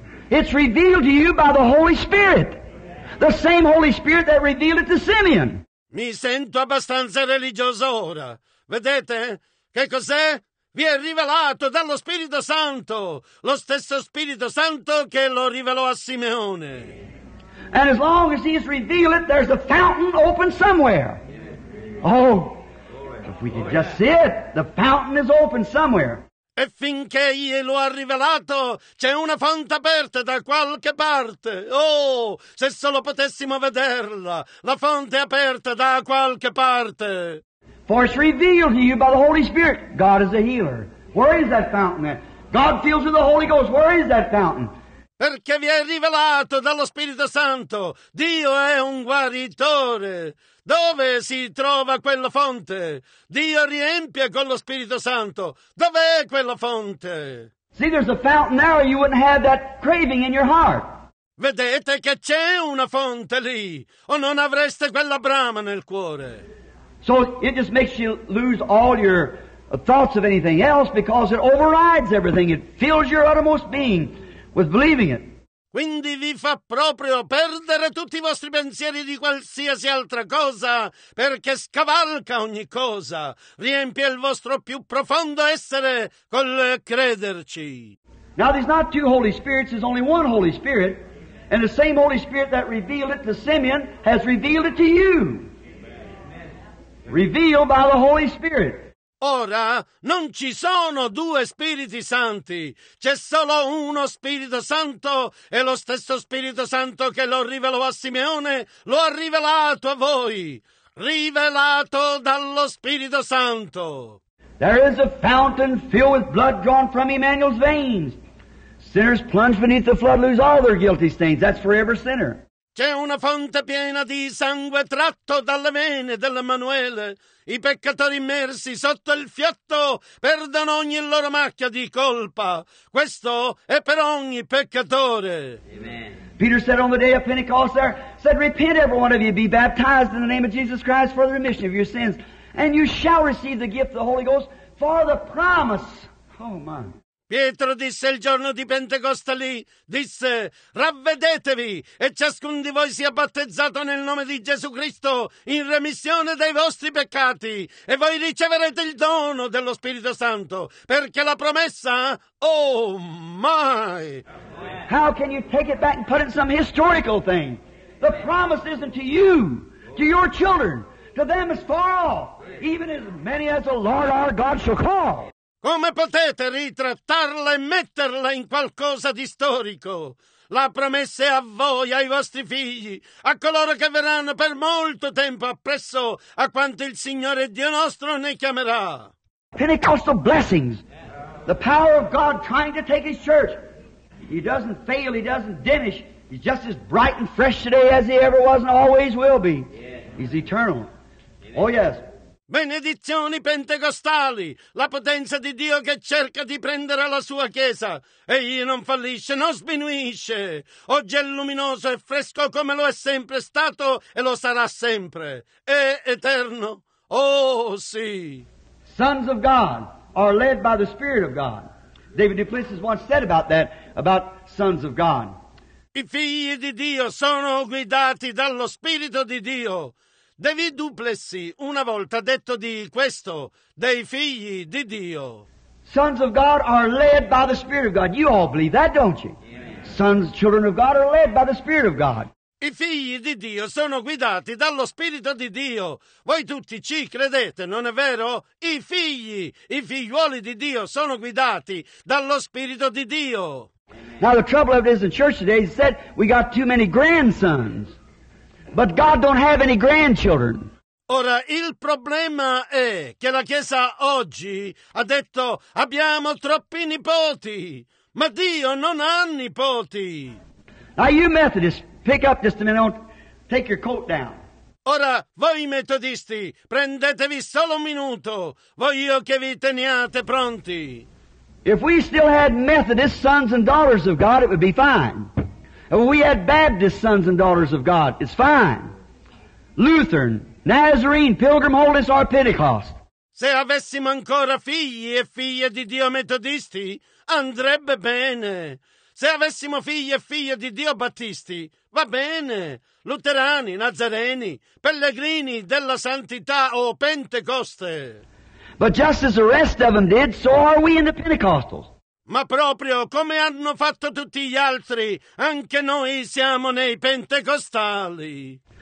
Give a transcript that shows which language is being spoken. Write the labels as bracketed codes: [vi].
[en] It's revealed to you by the Holy Spirit. The same Holy Spirit that revealed it to Simeon. [it] Mi sento abbastanza religioso ora. Vedete? Che cos'è? Vi è rivelato dallo Spirito Santo. Lo stesso Spirito Santo che lo rivelò a Simeone. [en] And as long as he's revealed it, there's a fountain open somewhere. Oh, we could just see it. The fountain is open somewhere. [it] E finché glielo ha rivelato, c'è una fonte aperta da qualche parte. Oh, se solo potessimo vederla, la fonte è aperta da qualche parte. [en] For it's revealed to you by the Holy Spirit. God is a healer. Where is that fountain at? God fills with the Holy Ghost. Where is that fountain? [it] Perché vi è rivelato dallo Spirito Santo. Dio è un guaritore. Dove si trova quella fonte? Dio riempie con lo Spirito Santo. Dov'è quella fonte? [en] See, there's a fountain there, or you wouldn't have that craving in your heart. [it] Vedete che c'è una fonte lì, o non avreste quella brama nel cuore. [en] So it just makes you lose all your thoughts of anything else because it overrides everything. It fills your uttermost being with believing it. [it] Quindi vi fa proprio perdere tutti i vostri pensieri di qualsiasi altra cosa, perché scavalca ogni cosa, riempie il vostro più profondo essere col crederci. [en] Now there's not two Holy Spirits, there's only one Holy Spirit, and the same Holy Spirit that revealed it to Simeon has revealed it to you. Revealed by the Holy Spirit. [it] Ora, non ci sono due Spiriti Santi, c'è solo uno Spirito Santo e lo stesso Spirito Santo che lo rivelò a Simeone lo ha rivelato a voi, rivelato dallo Spirito Santo. [en] There is a fountain filled with blood drawn from Emmanuel's veins. Sinners plunge beneath the flood, lose all their guilty stains. That's for every sinner. [it] C'è una fonte piena di sangue tratto dalle vene dell'Emanuele. I peccatori immersi sotto il fiotto perdono ogni loro macchia di colpa. Questo è per ogni peccatore. [en] Amen. Peter said on the day of Pentecost there, said, repent every one of you, be baptized in the name of Jesus Christ for the remission of your sins, and you shall receive the gift of the Holy Ghost for the promise. Oh my. [it] Pietro disse il giorno di Pentecoste lì, disse, ravvedetevi e ciascun di voi sia battezzato nel nome di Gesù Cristo in remissione dei vostri peccati e voi riceverete il dono dello Spirito Santo, perché la promessa, [en] oh my! How can you take it back and put it in some historical thing? The promise isn't to you, to your children, to them as far off, even as many as the Lord our God shall call. [it] Come potete ritrattarla e metterla in qualcosa di storico? La promessa è a voi, ai vostri figli, a coloro che verranno per molto tempo appresso a quanto il Signore Dio nostro ne chiamerà. [en] Pentecostal blessings. The power of God trying to take his church. He doesn't fail, he doesn't diminish. He's just as bright and fresh today as he ever was and always will be. He's eternal. Oh yes. [it] Benedizioni pentecostali, la potenza di Dio che cerca di prendere la sua Chiesa. Egli non fallisce, non sminuisce. Oggi è luminoso e fresco come lo è sempre stato e lo sarà sempre. È eterno. Oh, sì. [en] Sons of God are led by the Spirit of God. David Duplessis once said about that, about sons of God. [it] I figli di Dio sono guidati dallo Spirito di Dio. David Duplessis una volta ha detto di questo, dei figli di Dio. [en] Sons of God are led by the Spirit of God. You all believe that, don't you? Amen. Sons, children of God are led by the Spirit of God. [it] I figli di Dio sono guidati dallo Spirito di Dio. Voi tutti ci credete, non è vero? I figliuoli di Dio sono guidati dallo Spirito di Dio. [en] Now the trouble of it is the church today said we got too many grandsons, but God don't have any grandchildren. [it] Ora, il problema è che la Chiesa oggi ha detto abbiamo troppi nipoti, ma Dio non ha nipoti. [en] Now you Methodists, pick up just a minute, don't take your coat down. [it] Ora, voi metodisti, prendetevi solo un minuto, voi io che vi teniate pronti. [en] If we still had Methodist sons and daughters of God, it would be fine. If we had Baptist sons and daughters of God, it's fine. Lutheran, Nazarene, Pilgrim, Holiness, or Pentecost. [it] Se avessimo ancora figli e figlie di Dio metodisti, andrebbe bene. Se avessimo figli e figlie di Dio battisti, va bene. Luterani, Nazareni, Pellegrini della Santità o Pentecoste. [en] But just as the rest of them did, so are we in the Pentecostals. [it] Ma proprio come hanno fatto tutti gli altri, anche noi siamo nei Pentecostali.